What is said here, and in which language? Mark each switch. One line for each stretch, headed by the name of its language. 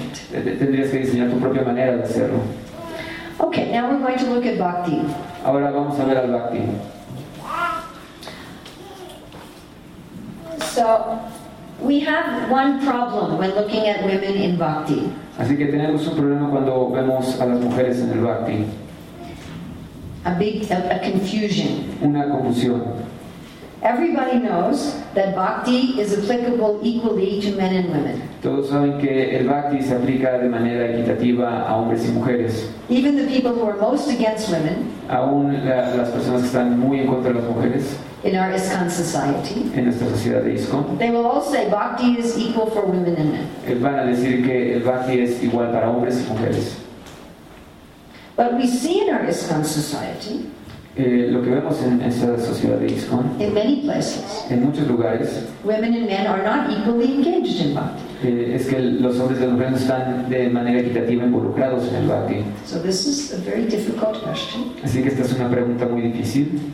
Spanish: Tendrías que diseñar tu propia manera de hacerlo.
English: Okay, now we're going to look at bhakti.
Spanish: Ahora vamos a ver al bhakti.
English: So, we have one problem when looking at women in bhakti.
Spanish: Así que tenemos un problema cuando vemos a las mujeres en el bhakti.
English: A confusion.
Spanish: Una confusión.
English: Everybody knows that bhakti is applicable equally to men and women.
Spanish: Todos saben que el bhakti se aplica de manera equitativa a hombres y mujeres.
English: Even the people who are most against women.
Spanish: Aún las personas que están muy en contra de las mujeres.
English: In our ISKCON society.
Spanish: En nuestra sociedad de ISKCON.
English: They will all say bhakti is equal for women and men.
Spanish: Van a decir que el bhakti es igual para hombres y mujeres.
English: But we see in our ISKCON society.
Spanish: Lo que vemos en esta sociedad de ISKCON,
English: in many places,
Spanish: en muchos lugares,
English: women and men are not equally engaged in bhakti.
Spanish: es que los hombres y las mujeres están de manera equitativa involucrados en el bhakti.
English: So this is a very difficult question.
Spanish: Así que esta es una pregunta muy difícil.